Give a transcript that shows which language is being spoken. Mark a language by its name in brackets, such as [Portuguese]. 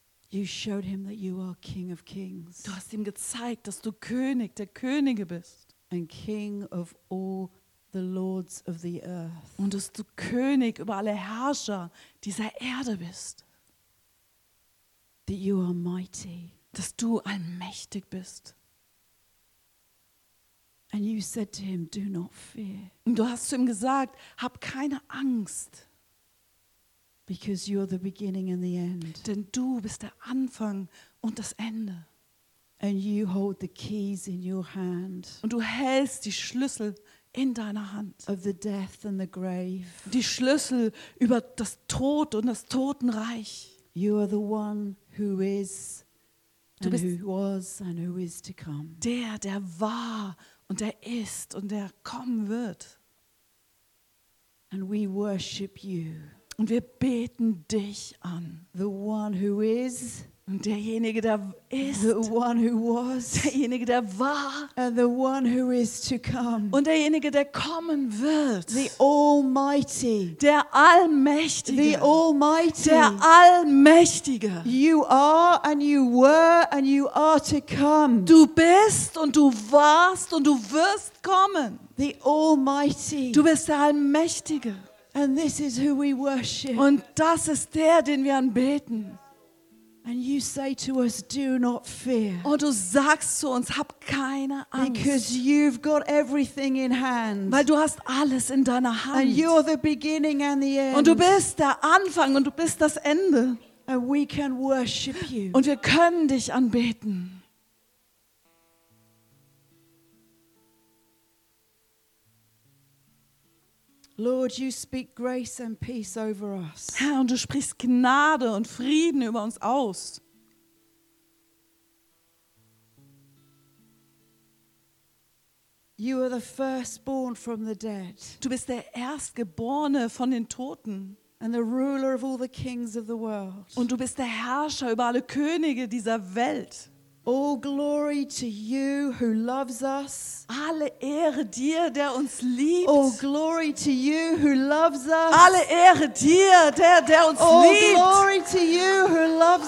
[English] You showed him that you are King of Kings. [German] Du hast ihm gezeigt, dass du König der Könige bist. [English] And King of all the lords of the earth. [German] Und dass du König über alle Herrscher dieser Erde bist. [English] That you are mighty. [German] Dass du allmächtig bist. [English] And you said to him, "Do not fear." [German] Und du hast zu ihm gesagt, hab keine Angst. [English] Because you're the beginning and the end. [German] Denn du bist der Anfang und das Ende. [English] And you hold the keys in your hand. [German] Und du hältst die Schlüssel in deiner Hand. [English] Of the death and the grave. [German] Die Schlüssel über das Tod und das Totenreich. [English] You are the one who is [German] Du bist [English] who was and who is to come. [German] Der, der war und der ist und der kommen wird. [English] And we worship you. [German] Und wir beten dich an. [English] The one who is. [German] Und derjenige, der ist. [English] The one who was. [German] Derjenige, der war. [English] And the one who is to come. [German] Und derjenige, der kommen wird. [English] The Almighty. [German] Der Allmächtige. [English] The Almighty. [German] Der Allmächtige. [English] You are and you were and you are to come. [German] Du bist und du warst und du wirst kommen. [English] The Almighty. [German] Du bist der Allmächtige. [English] And this is who we worship. [German] Und das ist der, den wir anbeten. [English] And you say to us, do not fear. [German] Und du sagst zu uns, hab keine Angst. [English] Because you've got everything in hand. [German] Weil du hast alles in deiner Hand. [English] And you're the beginning and the end. [German] Und du bist der Anfang und du bist das Ende. [English] And we can worship you. [German] Und wir können dich anbeten. [English] Lord, you speak grace and peace over us. [German] Herr, und du sprichst Gnade und Frieden über uns aus. [English] You are the firstborn from the dead. [German] Du bist der Erstgeborene von den Toten. [English] And the ruler of all the kings of the world. [German] Und du bist der Herrscher über alle Könige dieser Welt. [English] All glory to you who loves us. [German] Alle Ehre dir, der uns liebt. [English] All glory to you who loves us. [German] Alle Ehre dir, der uns [English] All [German] liebt. [English] All glory to you who loves